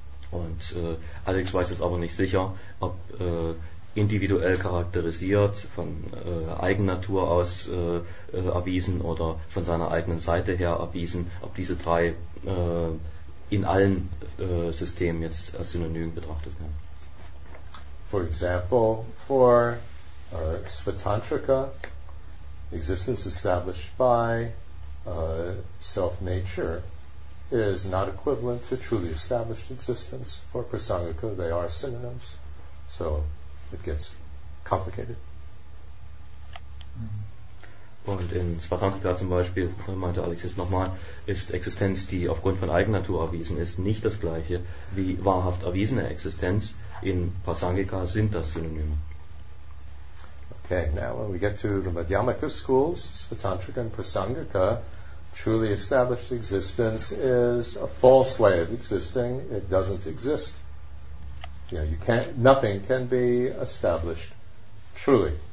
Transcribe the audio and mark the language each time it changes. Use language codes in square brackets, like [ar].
[de] Und Alex weiß es aber nicht sicher, ob individuell charakterisiert, von Eigennatur aus erwiesen oder von seiner eigenen Seite her erwiesen, ob diese drei in allen Systemen jetzt als Synonym betrachtet werden. [en] For example, for Svatantrika, existence established by self-nature is not equivalent to truly established existence. For Prasangika, they are synonyms. So it gets complicated. [de] Und in Svatantrika zum Beispiel, meinte Alex jetzt nochmal, ist Existenz, die aufgrund von Eigennatur erwiesen ist, nicht das gleiche wie wahrhaft erwiesene Existenz. In Prasangika sind das Synonyme. [en] Okay, now when we get to the Madhyamaka schools, Svatantrika and Prasangika, truly established existence is a false way of existing. It doesn't exist. Yeah, you can't. Nothing can be established truly.